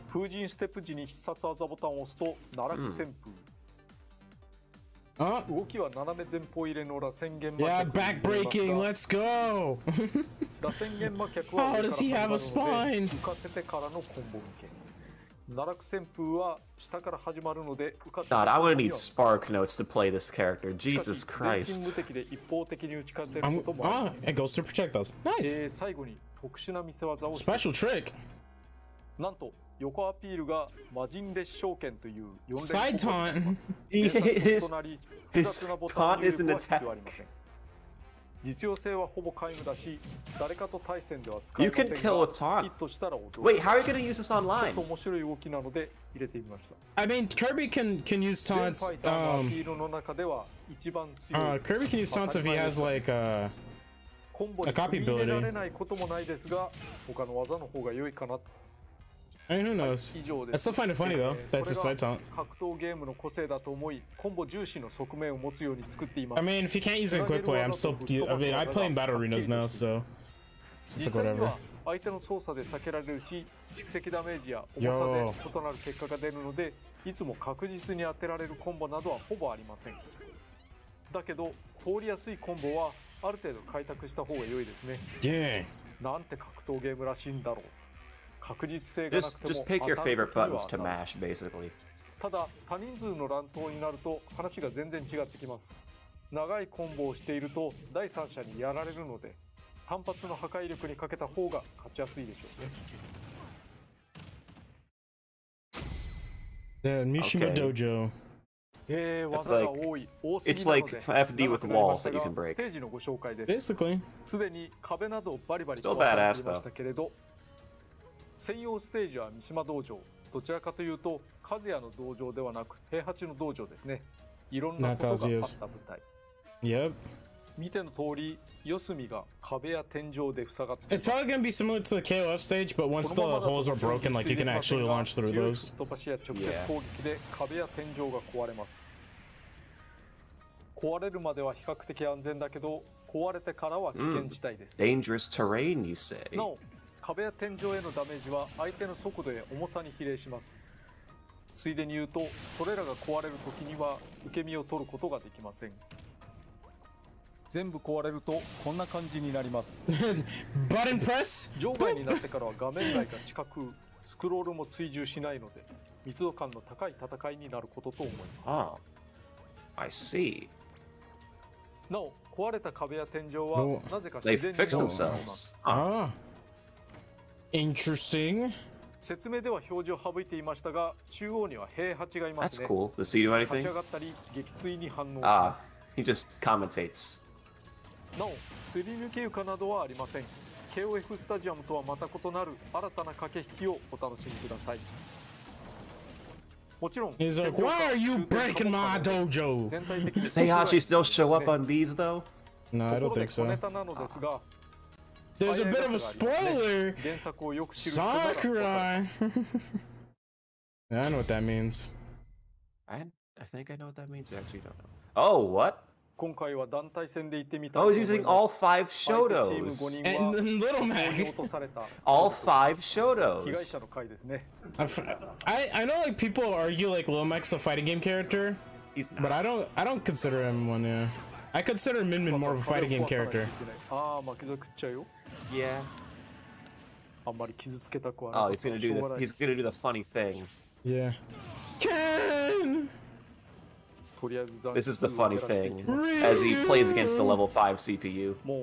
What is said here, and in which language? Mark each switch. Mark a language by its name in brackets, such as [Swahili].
[Japanese] 風神ステップ時に必殺技ボタンを押すと奈落旋風。動きは斜め前方入れの螺旋幻魔脚。 [English] Yeah, back breaking. Let's go. [Japanese] 螺旋幻魔脚は。 [English] How does he have a spine? [Japanese] 浮かせてからのコンボ受け。奈落旋風は下から始まるので浮かせてからの。 [English] God, I would need spark notes to play this character. Jesus Christ. [Japanese] 全身無敵で一方的に打ち勝てることもあります。 [English] It goes to protect us. Nice. [Japanese] 最後に特殊な見せ技を。 [English] Special trick. [Japanese] なんと横アピールが魔人烈焼拳という4連サイタン。となり複雑なボタンの入力は必要ありません。実用性はほぼ皆無だし、誰かと対戦では使えませんが、ヒットしたら驚く。 [English] Wait, how are you going to use this online? [Japanese] ちょっと面白い動きなので入れてみました。 [English] I mean, Kirby can use taunts. [Japanese] ファイターのアピールの中では一番強い。 [English] Kirby can use taunts if he has like a... [Japanese] コンボに組み入れられないこともないですが、他の技の方が良いかなと。 [English] I mean, who knows? I still find it funny though. That's a side taunt. [Japanese] 格闘ゲームの個性だと思い、コンボ重視の側面を持つように作っています。 [English] I mean, if you can't use it in quick play, I play in battle arenas now, so it's like whatever. [Japanese] 相手の操作で避けられるし、蓄積ダメージや重さで異なる結果が出るので、いつも確実に当てられるコンボなどはほぼありません。だけど、通りやすいコンボはある程度開拓した方が良いですね。 [English] Yeah. [Japanese] なんて格闘ゲームらしいんだろう。確実性がなくても [English] just pick your favorite buttons to mash, basically. [Japanese] ただ、多人数の乱闘になると話が全然違ってきます。長いコンボをしていると第三者にやられるので単発の破壊力にかけた方が勝ちやすいでしょうね。で、Mishima Dojo。技が多い、多すぎなので。 [English] It's like FD with walls that you can break。 [Japanese] ステージのご紹介です。 [English] Basically。 [Japanese] すでに壁などをバリバリ壊されましたけれど、専用ステージは Mishima Dojo。どちらかというと、カズヤの道場ではなく、平八の道場ですね。いろんなことがあった舞台。 [English] Yep。 [Japanese] 見ての通り、四隅が壁や天井で塞がっています [English] 。 It's probably gonna be similar to the KOF stage, but once the holes are broken, like you can actually launch through those. [Japanese] 突破しや直接攻撃で壁や天井が壊れます。壊れるまでは比較的安全だけど、壊れてからは危険事態です。 [English] Dangerous terrain, you say. [Japanese] なお、壁や天井へのダメージは相手の速度や重さに比例します。ついでに言うと、それらが壊れるときには受け身を取ることができません。全部壊れるとこんな感じになります。バッテンプレス場外になってからは画面内が近くスクロールも追従しないので密度感の高い戦いになることと思います。ああ、 [English] I see。 [Japanese] なお壊れた壁や天井はなぜか自然に [English] They fixed themselves。 [Japanese] ああ、 [English] Interesting。 [Japanese] 説明では表示を省いていましたが中央には兵八がいますね。 [English] That's cool. Does he do anything? [Japanese] 立ち上がったり撃墜に反応します。 [English] He just commentates。 [Japanese] なお、すり抜け床などはありません。KOF スタジアムとはまた異なる新たな駆け引きをお楽しみください。もちろん、 [English] Is it, why are you breaking my dojo? [Japanese] 全体的に [English] Does Heihachi still show up on these though? No, I don't think so. [Japanese] ネタなのですが、 [English] There's a bit of a spoiler! [Japanese] 原作をよく知る人なら、Sakurai! [English] Yeah, I know what that means. I think I know what that means. I actually don't know. Oh, what? [Japanese] 今回は団体戦で行ってみたいと思います。 [English] I was using all five Shotos. And Little Mac. All five Shotos. [Japanese] 被害者の回ですね。 [English] I know like people argue like Little Mac's a fighting game character, but I don't consider him one. Yeah. I consider Min Min more of a fighting game character. [Japanese] ああ、負けたくっちゃよ。 [English] Yeah. [Japanese] あんまり傷つけたくはない。 [English] Oh, he's gonna do this. He's gonna do the funny thing. Yeah. Ken! This is the funny thing as he plays against the level 5 CPU.